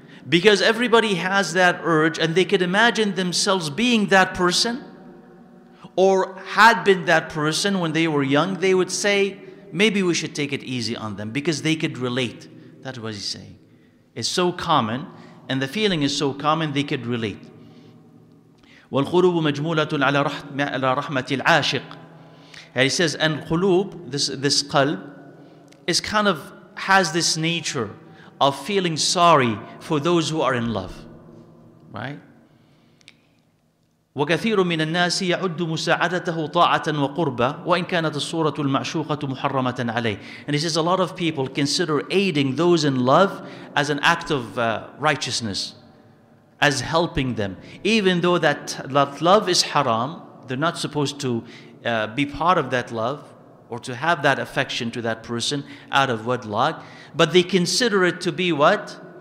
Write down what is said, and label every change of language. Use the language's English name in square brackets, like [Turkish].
[English] Because everybody has that urge and they could imagine themselves being that person or had been that person when they were young, they would say, maybe we should take it easy on them because they could relate. That's what he's saying. It's so common and the feeling is so common, they could relate. [Arabic] والقلوب مجمولة على رحمة العاشق. [English] And he says, and قلوب, this قلب, is kind of has this nature of feeling sorry for those who are in love, right? [Arabic] وكثير من الناس يعد مساعدته طاعة وقربة وإن كانت الصورة المعشوقة محرمة عليه. [English] And he says a lot of people consider aiding those in love as an act of righteousness, as helping them, even though that love is haram, they're not supposed to be part of that love or to have that affection to that person out of wedlock, but they consider it to be what?